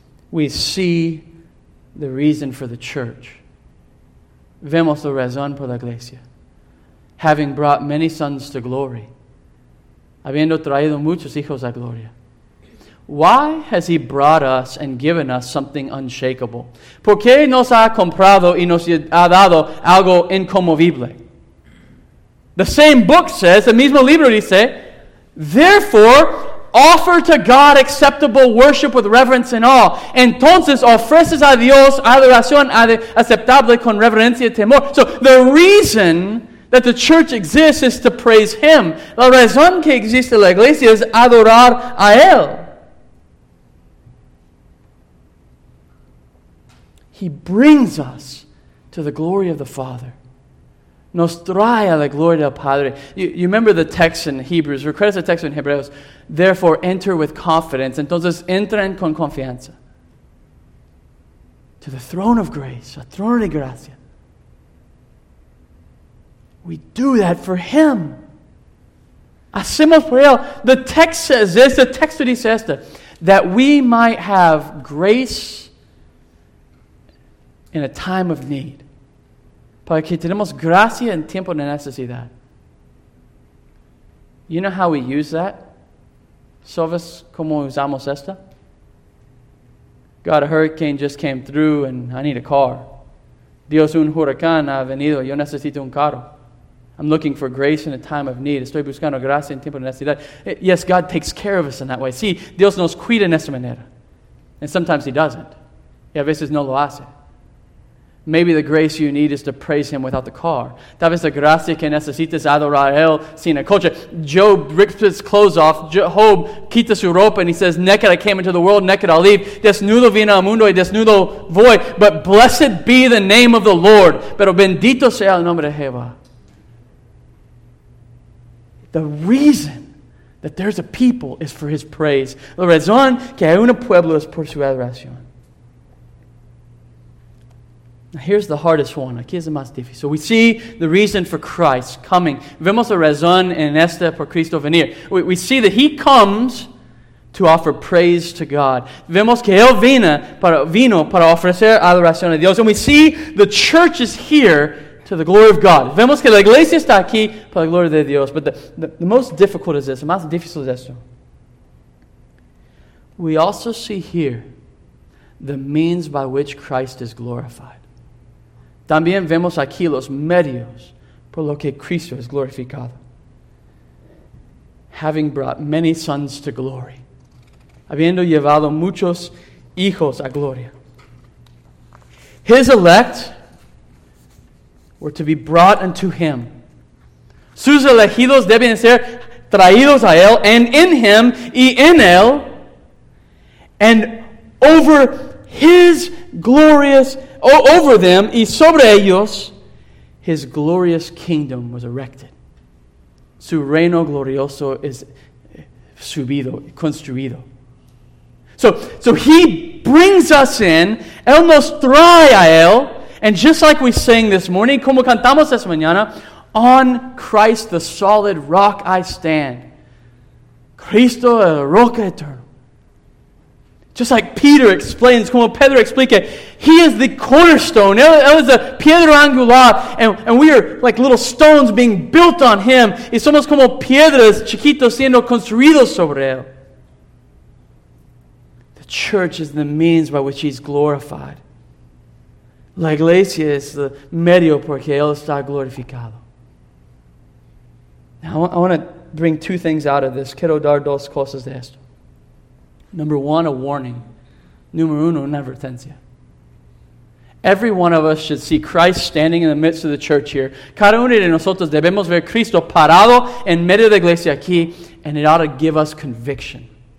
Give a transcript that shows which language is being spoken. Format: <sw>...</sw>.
<en>We see the reason for the church.</en> <es>Vemos la razón por la iglesia.</es> <en>Having brought many sons to glory.</en> <es>Habiendo traído muchos hijos a gloria.</es> <en>Why has He brought us and given us something unshakable?</en> <es>¿Por qué nos ha comprado y nos ha dado algo inconmovible?</es> <en>The same book says, the</en> <es>mismo libro dice,</es> <en>therefore, offer to God acceptable worship with reverence and awe.</en> <es>Entonces, ofreces a Dios adoración aceptable con reverencia y temor.</es> <en>So, the reason that the church exists is to praise Him.</en> <es>La razón que existe la iglesia es adorar a Él.</es> <en>He brings us to the glory of the Father.</en> <es>Nos trae a la gloria del Padre.</es> <en>You remember the text in Hebrews.</en> <es>Recuerdas el texto en Hebreos.</es> <en>Therefore, enter with confidence.</en> <es>Entonces, entren con confianza.</es> <en>To the throne of grace.</en> <es>A trono de gracia.</es> <en>We do that for Him.</en> <es>Hacemos por Él.</es> <en>The text says this, the text that He says this, that we might have grace in a time of need.</en> <es>Para que tenemos gracia en tiempo de necesidad.</es> <en>You know how we use that?</en> <es>¿Sabes cómo usamos esto?</es> <en>God, a hurricane just came through and I need a car.</en> <es>Dios, un huracán ha venido. Yo necesito un carro.</es> <en>I'm looking for grace in a time of need.</en> <es>Estoy buscando gracia en tiempo de necesidad.</es> <en>Yes, God takes care of us in that way.</en> <es>Sí, Dios nos cuida en esa manera.</es> <en>And sometimes He doesn't.</en> <es>Y a veces no lo hace.</es> <en>Maybe the grace you need is to praise Him without the car.</en> <es>Tal vez la gracia que necesitas adorar a Él sin el coche.</es> <en>Job rips his clothes off.</en> <es>Job quita su ropa</es> <en>and he says, naked I came into the world, naked I'll leave.</en> <es>Desnudo vine al mundo y desnudo voy.</es> <en>But blessed be the name of the Lord.</en> <es>Pero bendito sea el nombre de Jehová.</es> <en>The reason that there's a people is for His praise.</en> <es>La razón que hay un pueblo es por su adoración.</es> <en>Now here's the hardest one.</en> <es>Aquí es el más difícil.</es> <en>So we see the reason for Christ coming.</en> <es>Vemos la razón en esta por Cristo venir.</es> <en>We see that He comes to offer praise to God.</en> <es>Vemos que Él vino para ofrecer adoración a Dios.</es> <en>And we see the church is here to the glory of God.</en> <es>Vemos que la iglesia está aquí para la gloria de Dios.</es> <en>But the most difficult is this.</en> <es>El más difícil es esto.</es> <en>We also see here the means by which Christ is glorified.</en> <es>También vemos aquí los medios por lo que Cristo es glorificado.</es> <en>Having brought many sons to glory.</en> <es>Habiendo llevado muchos hijos a gloria.</es> <en>His elect were to be brought unto Him.</en> <es>Sus elegidos deben ser traídos a Él,</es> <en>and in Him,</en> <es>y en Él,</es> <en>and over His glorious, over them,</en> <es>y sobre ellos,</es> <en>His glorious kingdom was erected.</en> <es>Su reino glorioso es subido, construido.</es> <en>So He brings us in,</en> <es>Él nos trae a Él,</es> <en>and just like we sang this morning,</en> <es>como cantamos esta mañana,</es> <en>on Christ the solid rock I stand.</en> <es>Cristo el roca eterno.</es> <en>Just like Peter explains,</en> <es>como Pedro explica,</es> <en>He is the cornerstone.</en> <es>Él es la piedra angular.</es> <en>And we are like little stones being built on Him.</en> <es>Y somos como piedras chiquitos siendo construidos sobre Él.</es> <en>The church is the means by which He's glorified.</en> <es>La iglesia es el medio porque Él está glorificado.</es> <en>Now, I want to bring two things out of this.</en> <es>Quiero dar dos cosas de esto.</es> <en>Number one, a warning.</en> <es>Número uno, una advertencia.</es> <en>Every one of us should see Christ standing in the midst of the church here.</en> <es>Cada uno de nosotros debemos ver Cristo parado en medio de la iglesia aquí,</es> <en>and it ought to give us conviction.</en>